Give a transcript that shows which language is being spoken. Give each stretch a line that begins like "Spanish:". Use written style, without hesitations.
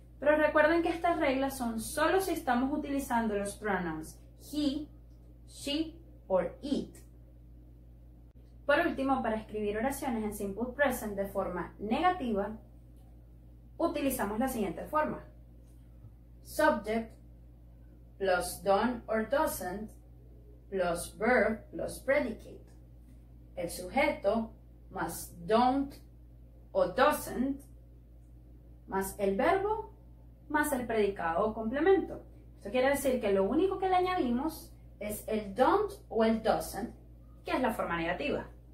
Spanish: Pero recuerden que estas reglas son solo si estamos utilizando los pronouns he, she, or it. Por último, para escribir oraciones en Simple Present de forma negativa, utilizamos la siguiente forma.
English: Subject plus done or doesn't plus verb plus predicate.
Spanish: El sujeto más don't o doesn't más el verbo más el predicado o complemento. Esto quiere decir que lo único que le añadimos es el don't o el doesn't, que es la forma negativa.